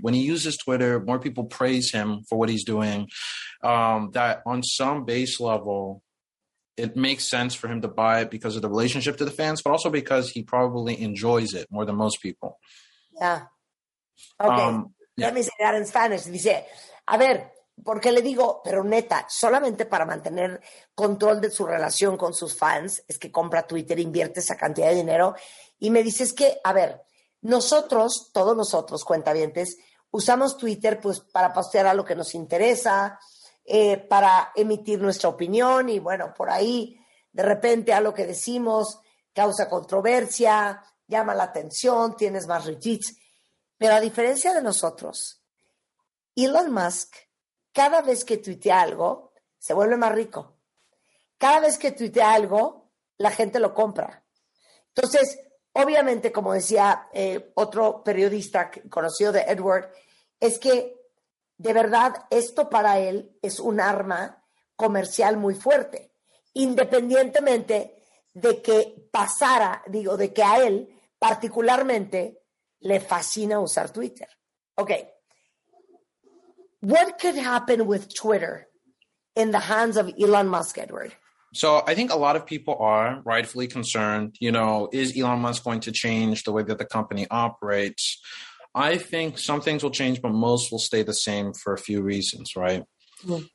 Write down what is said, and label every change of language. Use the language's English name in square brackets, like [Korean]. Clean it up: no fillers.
[English] When he uses Twitter, more people praise him for what he's doing. That on some base level, it makes sense for him to buy it because of the relationship to the fans, but also because he probably enjoys it more than most people. Yeah. Okay. Let me say that in Spanish. [Spanish] Dice, a ver, porque le digo, pero neta, solamente para mantener control de su relación con sus fans, es que compra Twitter, invierte esa cantidad de dinero. Y me dice, es que, a ver, nosotros, todos nosotros, cuentavientes, usamos Twitter pues para postear a lo que nos interesa, para emitir nuestra opinión y, bueno, por ahí, de repente, a lo que decimos, causa controversia, llama la atención, tienes más retweets. Pero a diferencia de nosotros, Elon Musk, cada vez que tuitea algo, se vuelve más rico. Cada vez que tuitea algo, la gente lo compra. Entonces, obviamente, como decía otro periodista conocido de Edward, es que de verdad esto para él es un arma comercial muy fuerte, independientemente de que pasara, digo, de que a él particularmente le fascina usar Twitter. Okay. [English] What could happen with Twitter in the hands of Elon Musk, Edward? So I think a lot of people are rightfully concerned, you know, is Elon Musk going to change the way that the company operates? I think some things will change, but most will stay the same for a few reasons, right? Yeah.